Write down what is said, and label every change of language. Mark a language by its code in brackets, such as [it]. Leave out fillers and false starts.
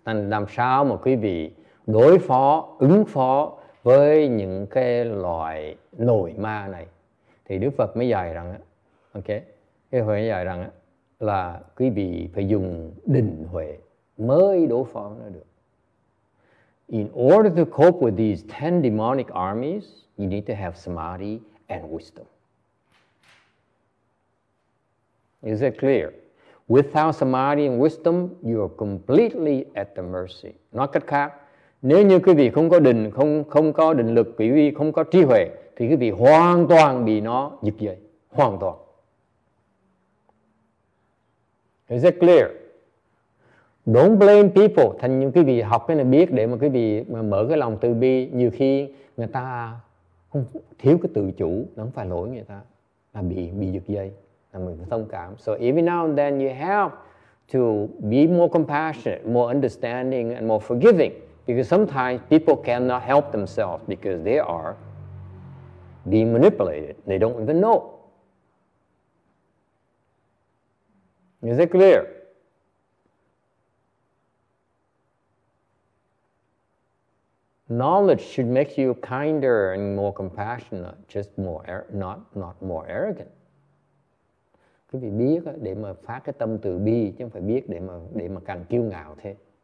[vi] Làm sao mà quý vị đối phó, ứng phó với những cái loại nổi ma này? Thì Đức Phật mới dạy rằng, ok, cái Huệ dạy rằng là quý vị phải dùng định huệ mới đối phó nó được. [en] In order to cope with these 10 demonic armies, you need to have samadhi and wisdom. Is it clear? Without samadhi and wisdom, you are completely at the mercy. [vi] Nói cách khác, nếu như quý vị không có định, không có định lực, quý vị không có trí huệ, thì quý vị hoàn toàn bị nó giật dây, hoàn toàn. [en] Is it clear? Don't blame people. [vi] Thành những quý vị học cái này biết để mà quý vị mà mở cái lòng từ bi, nhiều khi người ta không thiếu cái tự chủ, nó không phải lỗi người ta, là bị giật dây, là mình phải thông cảm. [en] So every now and then you have to be more compassionate, more understanding and more forgiving. Because sometimes people cannot help themselves because they are being manipulated. They don't even know. Is it clear? Knowledge should make you kinder and more compassionate, just more not more arrogant. [vi] Quý vị biết để mà phát cái tâm từ bi chứ không phải biết để mà càng kiêu ngạo thế.